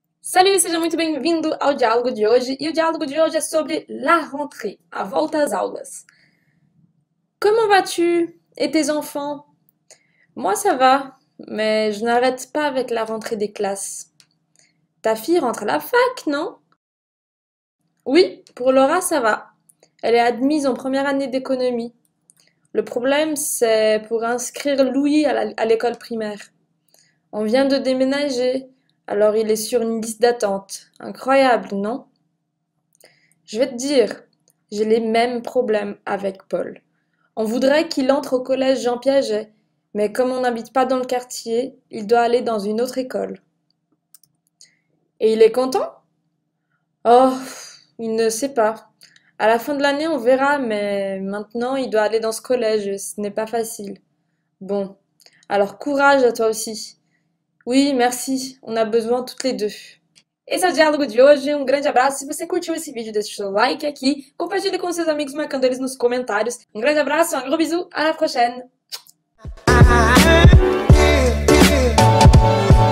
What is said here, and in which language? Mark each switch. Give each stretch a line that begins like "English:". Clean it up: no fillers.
Portuguese: Salut, seja muito bem-vindo ao diálogo de hoje. E o diálogo de hoje é sobre la rentrée, a volta às aulas.
French: Comment vas-tu et tes enfants? Moi, ça va, mais je n'arrête pas avec la rentrée des classes. Ta fille rentre à la fac, non? Oui, pour Laura, ça va. Elle est admise en première année d'économie. Le problème, c'est pour inscrire Louis à l'école primaire. On vient de déménager. Alors il est sur une liste d'attente. Incroyable, non? Je vais te dire, j'ai les mêmes problèmes avec Paul. On voudrait qu'il entre au collège Jean Piaget, mais comme on n'habite pas dans le quartier, il doit aller dans une autre école. Et il est content? Oh, il ne sait pas. À la fin de l'année, on verra, mais maintenant, il doit aller dans ce collège. Ce n'est pas facile. Bon, alors courage à toi aussi. Oui, merci. On a besoin toutes les deux.
Portuguese: Esse é o diálogo de hoje. Um grande abraço. Se você curtiu esse vídeo, deixe o seu like aqui. Compartilhe com seus amigos, marcando eles nos comentários. Um grande abraço,
French: um gros bisou. À la prochaine.